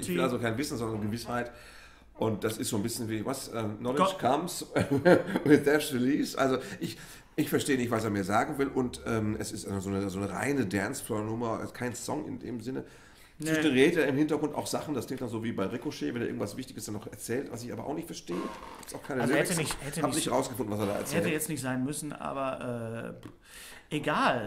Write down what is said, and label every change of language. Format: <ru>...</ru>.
<de>Ich will also kein Wissen, sondern Gewissheit. Und das ist so ein bisschen wie, was?</de> <en>Knowledge comes with death release.</en> <de>Also ich verstehe nicht, was er mir sagen will. Und es ist so eine reine Dancefloor-Nummer, kein Song in dem Sinne. Zwischen redet er im Hintergrund auch Sachen, das klingt dann so wie bei Ricochet, wenn er irgendwas Wichtiges dann noch erzählt, was ich aber auch nicht verstehe. Ist auch keine Lyrics. Ich habe nicht rausgefunden, was er da erzählt. Hätte jetzt nicht sein müssen, aber egal.</de>